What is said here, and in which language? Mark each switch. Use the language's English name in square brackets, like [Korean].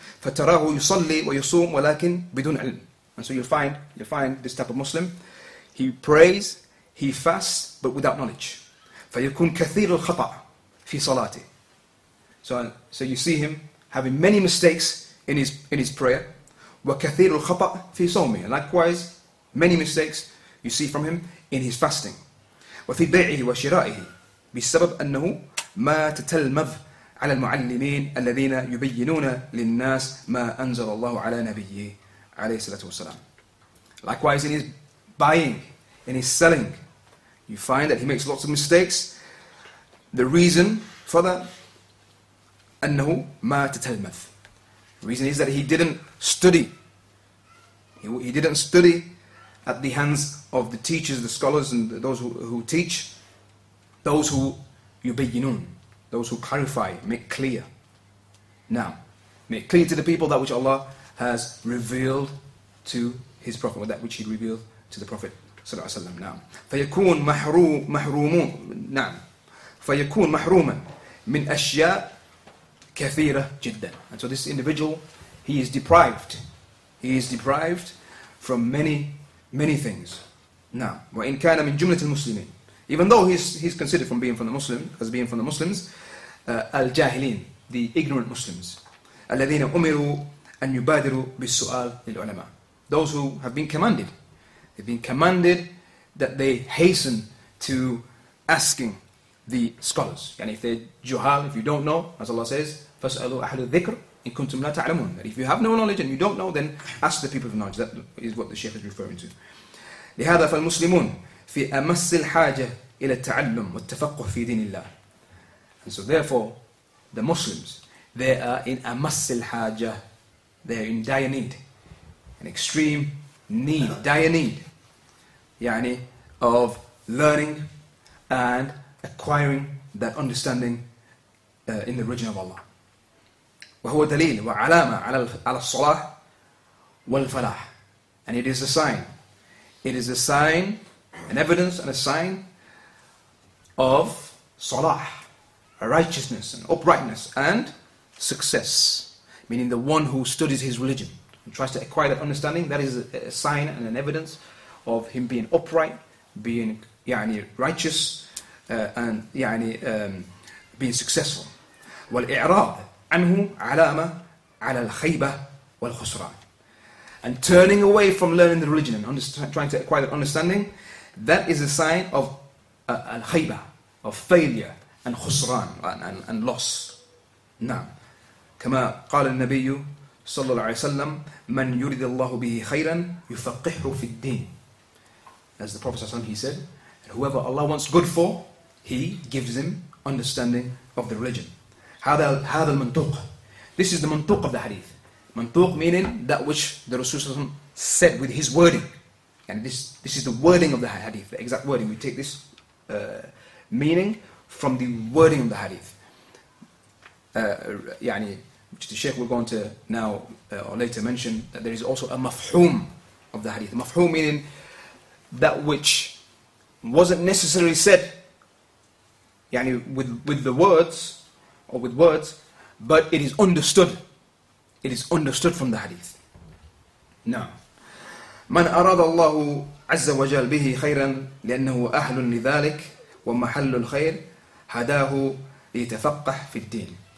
[Arabic] فتراه يصلي ويصوم ولكن بدون علم. [English] And so you'll find this type of Muslim, he prays, he fasts, but without knowledge. [Arabic] فيكون كثير الخطأ في صلاته. [English] So you see him having many mistakes in his prayer. [Arabic] وكثير الخطأ في صومه. [English] Likewise, many mistakes you see from him in his fasting. [Arabic] وفي بيعه وشرائه بسبب أنه ما تتلمذ على المعلمين الذين يبينون للناس ما أنزل الله على نبيه عليه الصلاة والسلام. [English] Likewise, in his buying, in his selling, you find that he makes lots of mistakes. The reason for that, [Arabic] أنه ما تتلمذ. [English] Reason is that he didn't study. He didn't study at the hands of the teachers, the scholars, and those who teach, those who yubayyinun, those who clarify, make clear. Now, make clear to the people that which Allah has revealed to His Prophet, or that which He revealed to the Prophet [Arabic] صلى الله عليه وسلم. نعم. فيكون محروم نعم. فيكون محروما من أشياء كثيرة جدا. [English] And so this individual, he is deprived. He is deprived from many things. نعم. [Arabic] وإن كان من جملة المسلمين. [English] Even though he's considered from being from the Muslim, as being from the Muslims, الجاهلين, the ignorant Muslims. [Arabic] الذين أمروا أن يبادروا بالسؤال للعلماء. [English] Those who have been commanded. They've been commanded that they hasten to asking the scholars. And if they're juhal, if you don't know, as Allah says, [Arabic] فَاسْأَلُوا أَحْلُ الذِّكْرِ إِن كُنْتُمْ لَا تَعْلَمُونَ. [English] That if you have no knowledge and you don't know, then ask the people of knowledge. That is what the Shaykh is referring to. [Arabic] لهذا فالمسلمون في أمس الحاجة إلى التعلم والتفقه في دين الله. [English] And so therefore, the Muslims, they are in [Arabic] أمس الحاجة. [English] They are in dire need. An extreme need, dire need. يعني of learning and acquiring that understanding in the religion of Allah. [Arabic] وهو دليل وعلامة على الصلاح والفلاح. [English] And it is a sign. It is a sign, an evidence and a sign of صلاح, righteousness and uprightness and success. Meaning the one who studies his religion and tries to acquire that understanding, that is a sign and an evidence of him being upright, being يعني righteous, and يعني being successful. [Arabic] والإعراض عنه علامة على الخيبة والخسران. [English] And turning away from learning the religion and trying to acquire that understanding, that is a sign of الخيبة, of failure and خسران and loss. [Arabic] نعم. كما قال النبي صلى الله عليه وسلم من يرد الله به خيرا يفقهه في الدين. [English] As the Prophet ﷺ, he said, whoever Allah wants good for, he gives him understanding of the religion. [Arabic] هذا المنطوق. [English] This is the منطوق of the hadith. منطوق meaning that which the Rasul ﷺ said with his wording. And this is the wording of the hadith, the exact wording. We take this meaning from the wording of the hadith. يعني, which the Shaykh will go on to now or later mention, that there is also a mafhum of the hadith. Mafhum meaning that which wasn't necessarily said يعني with the words or with words, but it is understood. It is understood from the hadith. No. [Arabic] من أراد الله عز وجل به خيرا لأنه أهل لذلك ومحل الخير هداه ليتفقه في الدين.